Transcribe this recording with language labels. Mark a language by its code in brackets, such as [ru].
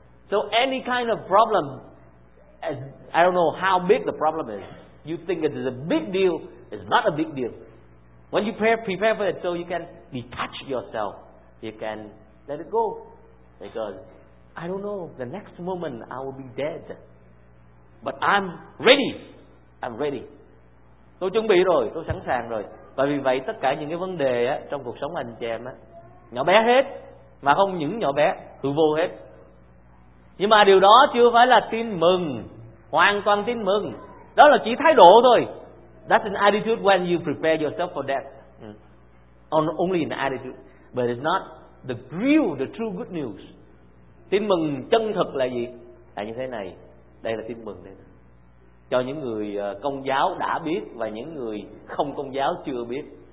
[en] So any kind of problem, I don't know how big the problem is, you think it is a big deal, it's not a big deal. When you prepare for it, so you can detach yourself, you can let it go. Because I don't know, the next moment I will be dead. But I'm ready. [vi] Tôi chuẩn bị rồi, tôi sẵn sàng rồi. Và vì vậy tất cả những cái vấn đề á, trong cuộc sống anh chị em á, nhỏ bé hết, mà không những nhỏ bé, hư vô hết. Nhưng mà điều đó chưa phải là tin mừng, hoàn toàn tin mừng. Đó là chỉ thái độ thôi. [en] That's an attitude when you prepare yourself for death. Only an attitude. But it's not the real, the true good news. [vi] Tin mừng chân thực là gì? Là như thế này. Đây là tin mừng đây. Cho những người Công giáo đã biết và những người không Công giáo chưa biết.